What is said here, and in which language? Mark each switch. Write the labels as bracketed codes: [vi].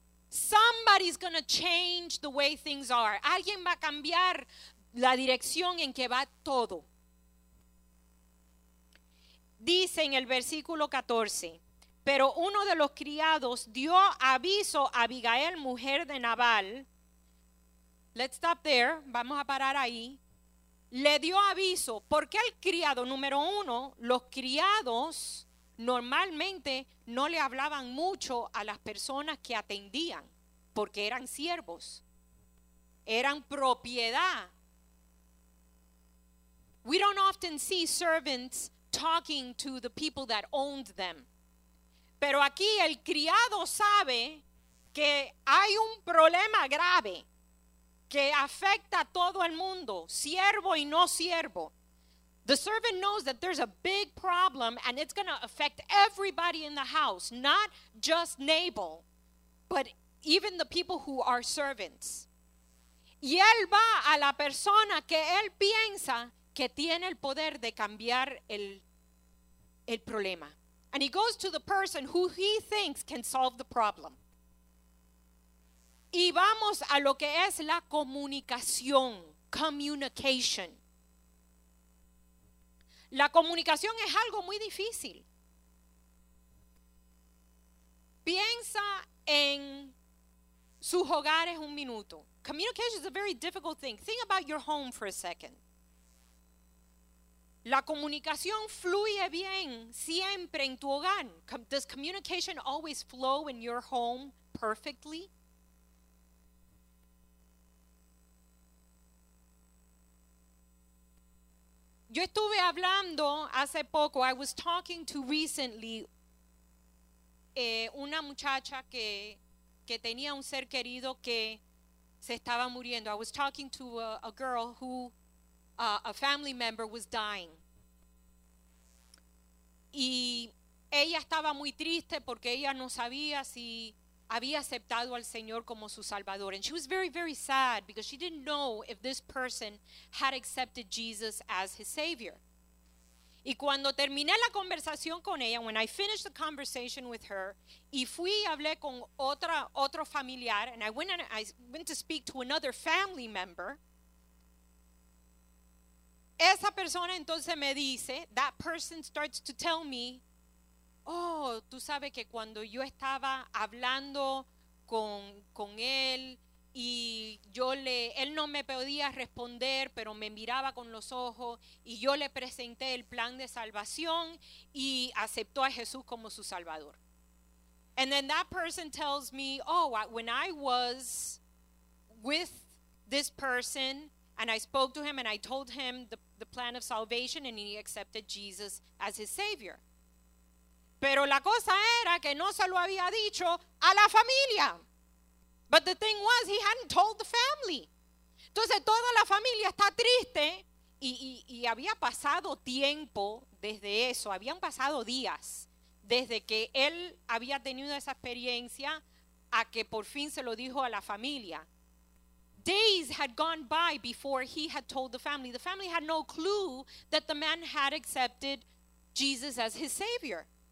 [en] Somebody's going to change the way things are. [es] Alguien va a cambiar la dirección en que va todo. Dice en el versículo 14, pero uno de los criados dio aviso a Abigail, mujer de Nabal. [en] Let's stop there. [es] Vamos a parar ahí. Le dio aviso. ¿Por qué el criado? Número uno, los criados normalmente no le hablaban mucho a las personas que atendían, porque eran siervos. Eran propiedad. [en] We don't often see servants talking to the people that owned them. [es] Pero aquí el criado sabe que hay un problema grave que afecta a todo el mundo, siervo y no siervo. [en] The servant knows that there's a big problem and it's going to affect everybody in the house, not just Nabal, but even the people who are servants. [es] Y él va a la persona que él piensa que tiene el poder de cambiar el problema. [en] And he goes to the person who he thinks can solve the problem. [es] Y vamos a lo que es la comunicación, communication. La comunicación es algo muy difícil. Piensa en sus hogares un minuto. [en] Communication is a very difficult thing. Think about your home for a second. [es] La comunicación fluye bien siempre en tu hogar. [en] Does communication always flow in your home perfectly? [es] Yo estuve hablando hace poco, [en] I was talking to recently, [es] una muchacha que tenía un ser querido que se estaba muriendo. [en] I was talking to a girl who, a family member was dying. [es] Y ella estaba muy triste porque ella no sabía si había aceptado al Señor como su Salvador. [en] And she was very, very sad because she didn't know if this person had accepted Jesus as his Savior. [es] Y cuando terminé la conversación con ella, [en] when I finished the conversation with her, [es] y fui y hablé con otro familiar, [en] and I went to speak to another family member, [es] esa persona entonces me dice, [en] that person starts to tell me, [es] oh, tú sabes que cuando yo estaba hablando con él y él no me podía responder, pero me miraba con los ojos y yo le presenté el plan de salvación y aceptó a Jesús como su Salvador. [en] And then that person tells me, oh, when I was with this person and I spoke to him and I told him the plan of salvation and he accepted Jesus as his Savior. [es] Pero la cosa era que no se lo había dicho a la familia. [en] But the thing was, he hadn't told the family. [es] Entonces toda la familia está triste y había pasado tiempo desde eso. Habían pasado días desde que él había tenido esa experiencia a que por fin se lo dijo a la familia. [en] Days had gone by before he had told the family. The family had no clue that the man had accepted Jesus as his Savior.